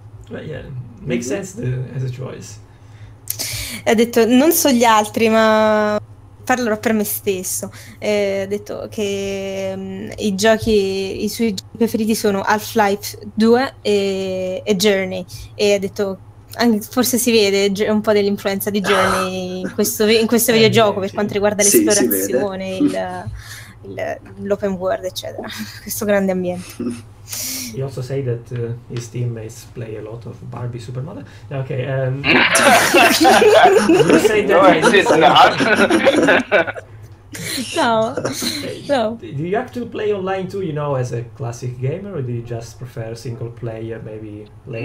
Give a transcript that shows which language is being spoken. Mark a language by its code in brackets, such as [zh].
[en] But yeah, makes sense as a choice. [it] Ha detto non so gli altri, ma parlerò per me stesso. Ha detto che i suoi giochi preferiti sono Half-Life 2 e Journey, e ha detto anche, forse si vede un po' dell'influenza di Journey in questo videogioco, per quanto riguarda l'esplorazione, sì, l'open world, eccetera, questo grande ambiente. [en] He also say that his teammates play a lot of Barbie Supermodel. Okay. You say that? No, it's not. No. Do you have to play online too, you know, as a classic gamer, or do you just prefer single player, maybe later?